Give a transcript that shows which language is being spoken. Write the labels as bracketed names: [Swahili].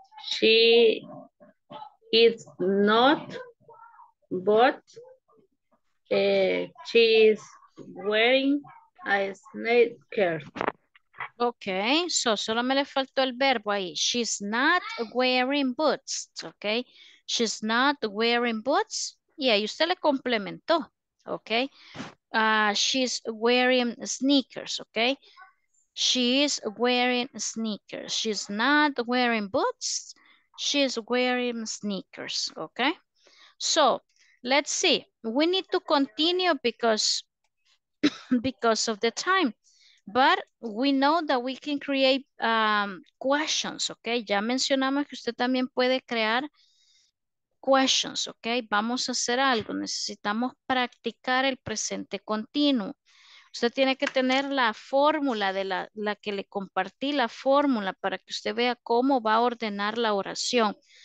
[English] She is not, but she is wearing a sneaker. [Spanish] Okay, so solo me le faltó el verbo ahí. [English] She's not wearing boots, okay? She's not wearing boots. Yeah, [Spanish] y usted le complementó, [English] okay? She's wearing sneakers, okay? She is wearing sneakers. She's not wearing boots. She's wearing sneakers. Okay. So let's see. We need to continue because of the time. But we know that we can create questions. Okay. [Spanish] Ya mencionamos que usted también puede crear questions. Okay. Vamos a hacer algo. Necesitamos practicar el presente continuo. Usted tiene que tener la fórmula de la que le compartí, la fórmula para que usted vea cómo va a ordenar la oración.